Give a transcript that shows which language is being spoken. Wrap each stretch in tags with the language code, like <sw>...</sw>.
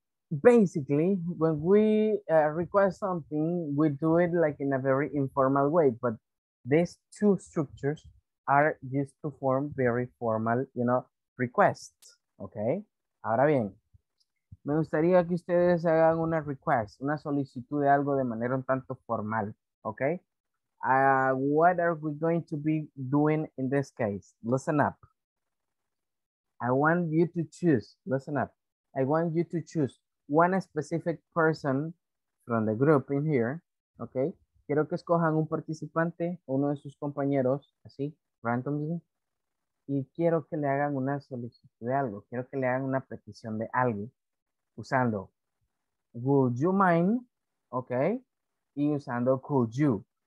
<en>Basically, when we request something, we do it like in a very informal way, but these two structures are used to form very formal, you know, requests, okay?</en> <es>Ahora bien. Me gustaría que ustedes hagan una request, una solicitud de algo de manera un tanto formal, okay?</es> <en>What are we going to be doing in this case? Listen up. I want you to choose, listen up. I want you to choose one specific person from the group in here, okay?</en> <es>Quiero que escojan un participante, uno de sus compañeros, así,</es> <en>randomly,</en> <es>y quiero que le hagan una solicitud de algo, quiero que le hagan una petición de algo. Usando</es> <en>would you mind,</en> <es>ok, y usando</es> <en>could you.</en>